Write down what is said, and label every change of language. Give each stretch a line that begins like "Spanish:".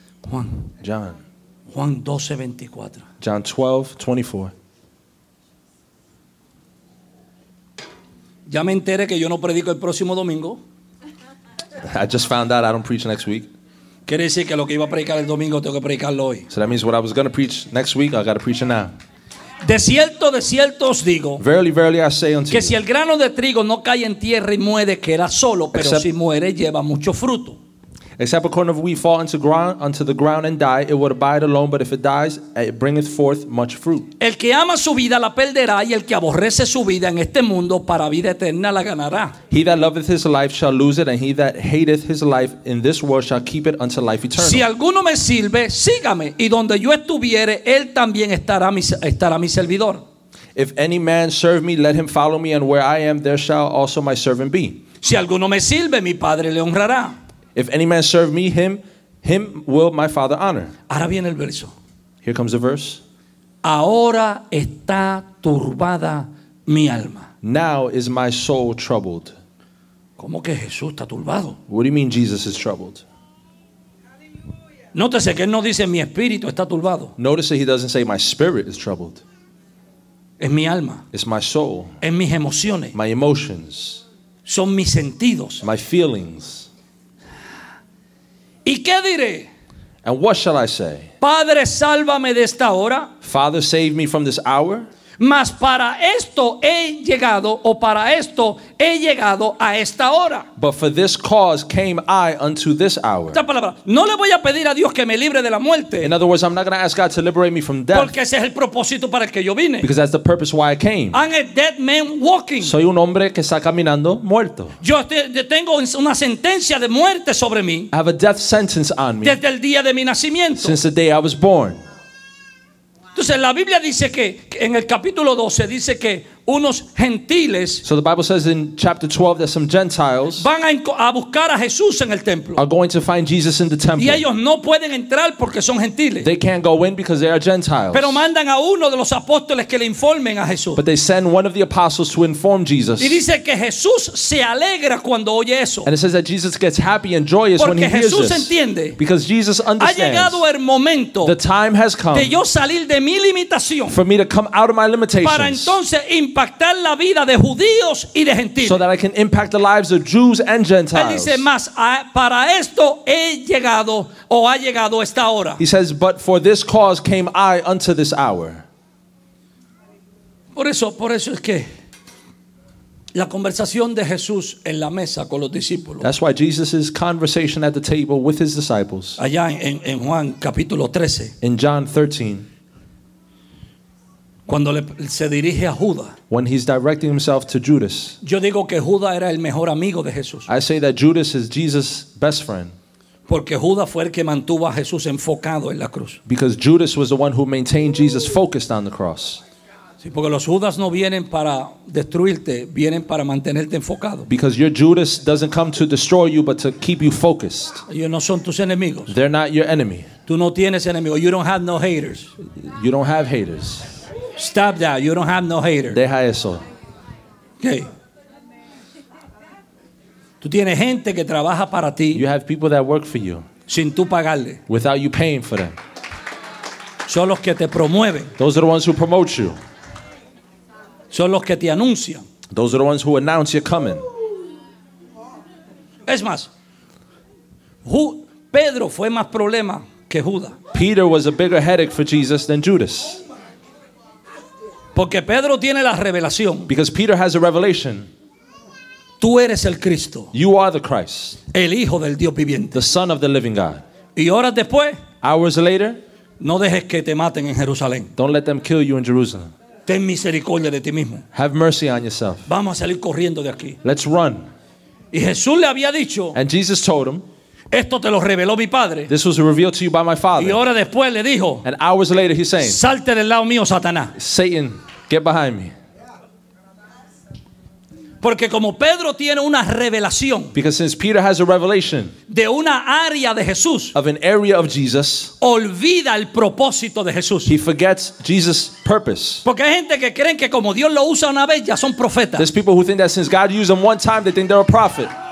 Spanish: Juan.
English: John.
Spanish: Juan 12:24.
English: John 12:24.
Spanish: Ya me enteré que yo no predico el próximo domingo.
English: I just found out I don't preach next week.
Spanish: Quiere decir que lo que iba a predicar el domingo tengo que predicarlo hoy.
English: So that means what I was going to preach next week, I got to preach it now.
Spanish: De cierto os digo.
English: Verily, verily I say unto
Spanish: que si el grano de trigo no cae en tierra y muere, queda solo, pero
English: except,
Spanish: si muere, lleva mucho fruto.
English: Except a corn of wheat fall unto the ground and die, it would abide alone, but if it dies, it bringeth forth much fruit.
Spanish: El que ama su vida la perderá, y el que aborrece su vida en este mundo para vida eterna la ganará.
English: He that loveth his life shall lose it, and he that hateth his life in this world shall keep it unto life eternal.
Spanish: Si alguno me sirve, sígame, y donde yo estuviere, él también estará mi servidor.
English: If any man serve me, let him follow me, and where I am, there shall also my servant be.
Spanish: Si alguno me sirve, mi padre le honrará.
English: If any man serve me, him will my Father honor.
Spanish: Ahora viene el verso.
English: Here comes the verse.
Spanish: Ahora está turbada mi alma.
English: Now is my soul troubled.
Spanish: ¿Cómo que Jesús está turbado?
English: What do you mean Jesus is troubled?
Spanish: Nótese que él no dice mi espíritu está turbado.
English: Notice that he doesn't say my spirit is troubled.
Spanish: Es mi alma.
English: It's my soul.
Spanish: Es mis emociones.
English: My emotions.
Spanish: Son mis sentidos.
English: My feelings.
Spanish: ¿Y qué diré?
English: And what shall I say?
Spanish: Padre, sálvame de esta hora.
English: Father, save me from this hour.
Spanish: Mas para esto he llegado, o para esto he llegado a esta hora.
English: But for this cause came I unto this hour.
Spanish: Esta palabra, no le voy a pedir a Dios que me libre de la muerte.
English: In other words, I'm not going to ask God to liberate me from death.
Spanish: Porque ese es el propósito para el que yo vine.
English: Because that's the purpose why I came. I'm a dead man walking.
Spanish: Soy un hombre que está caminando muerto. Yo tengo una sentencia de muerte sobre mí.
English: I have a death sentence on me.
Spanish: Desde el día de mi nacimiento.
English: Since the day I was born.
Spanish: Entonces la Biblia dice que en el capítulo 12 dice que unos gentiles,
English: so the Bible says in chapter 12 that some gentiles
Spanish: van a buscar a Jesús en el templo.
English: Are going to find Jesus in the temple.
Spanish: Y ellos no pueden entrar porque son gentiles.
English: They can't go in because they are gentiles.
Spanish: Pero mandan a uno de los apóstoles que le informen a Jesús.
English: But they send one of the apostles to inform Jesus.
Spanish: Y dice que Jesús se alegra cuando oye eso.
English: And it says that Jesus gets happy and joyous
Spanish: porque
English: when he
Spanish: Jesús
English: hears this.
Spanish: Entiende.
English: Because Jesus understands.
Spanish: Ha llegado el momento.
English: The time has come.
Spanish: De yo salir de mi limitación.
English: For me to come out of my limitations.
Spanish: Para entonces impactar la vida de judíos y de gentiles.
English: So that I can impact the lives of Jews and Gentiles.
Spanish: Él dice más, para esto he llegado o ha llegado esta hora.
English: He says, but for this cause came I unto this hour.
Spanish: Por eso es que la conversación de Jesús en la mesa con los discípulos.
English: That's why Jesus' conversation at the table with his disciples.
Spanish: Allá en Juan capítulo 13.
English: In John 13.
Spanish: Cuando se dirige a Judas.
English: When he's directing himself to Judas.
Spanish: Yo digo que Judas era el mejor amigo de Jesús.
English: I say that Judas is Jesus' best friend.
Spanish: Porque Judas fue el que mantuvo a Jesús enfocado en la cruz.
English: Because Judas was the one who maintained Jesus focused on the cross.
Spanish: Sí, porque los Judas no vienen para destruirte, vienen para mantenerte enfocado.
English: Because your Judas doesn't come to destroy you but to keep you focused.
Spanish: Ellos no son tus enemigos.
English: They're not your enemy.
Spanish: Tú no tienes enemigos.
English: You don't have no haters. You don't have haters. Stop that. You don't have no haters.
Spanish: Deja eso.
English: Okay.
Spanish: Tú tienes gente que trabaja para ti.
English: You have people that work for you.
Spanish: Sin tú pagarle.
English: Without you paying for them.
Spanish: Son los que te promueven.
English: Those are the ones who promote you.
Spanish: Son los que te anuncian.
English: Those are the ones who announce you're coming.
Spanish: Es más, Pedro fue más problema que Judas.
English: Peter was a bigger headache for Jesus than Judas.
Spanish: Porque Pedro tiene la revelación.
English: Because Peter has a revelation.
Spanish: Tú eres el Cristo.
English: You are the Christ.
Spanish: El Hijo del Dios viviente.
English: The Son of the living God.
Spanish: Y horas después.
English: Hours later.
Spanish: No dejes que te maten en Jerusalén.
English: Don't let them kill you in Jerusalem.
Spanish: Ten misericordia de ti mismo.
English: Have mercy on yourself.
Spanish: Vamos a salir corriendo de aquí.
English: Let's run.
Spanish: Y Jesús le había dicho.
English: And Jesus told him.
Spanish: Esto te lo reveló mi padre.
English: This was revealed to you by my father.
Spanish: Y ahora después le dijo.
English: And hours later he's saying.
Spanish: Salte del lado mío, Satanás.
English: Satan, get behind me.
Spanish: Porque como Pedro tiene una revelación.
English: Because since Peter has a revelation.
Spanish: De una área de Jesús.
English: Of an area of Jesus.
Spanish: Olvida el propósito de Jesús.
English: He forgets Jesus' purpose.
Spanish: Porque hay gente que creen que como Dios lo usa una vez ya son profetas.
English: There's people who think that since God used them one time they think they're a prophet.